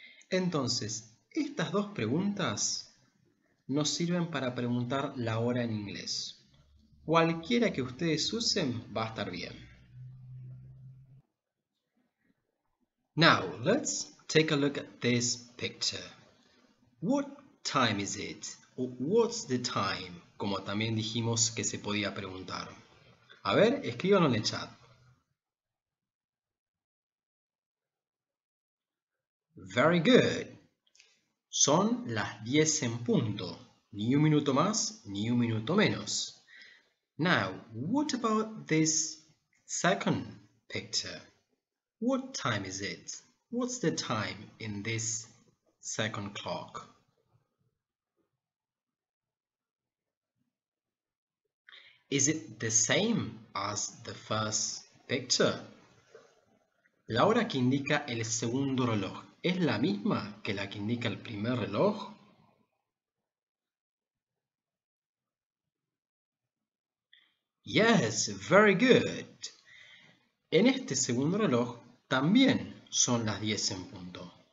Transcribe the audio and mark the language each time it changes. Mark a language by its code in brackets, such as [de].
[es] Entonces, estas dos preguntas nos sirven para preguntar la hora en inglés. Cualquiera que ustedes usen va a estar bien. [en] Now, let's take a look at this picture. What time is it? What's the time? [es] Como también dijimos que se podía preguntar. A ver, escríbanlo en el chat. [en] Very good. [es] Son las 10 en punto. Ni un minuto más, ni un minuto menos. [en] Now, what about this second picture? What time is it? What's the time in this second clock? Is it the same as the first picture? [es] La hora que indica el segundo reloj, ¿es la misma que la que indica el primer reloj? [en] Yes, very good. [es] En este segundo reloj también son las 10 en punto.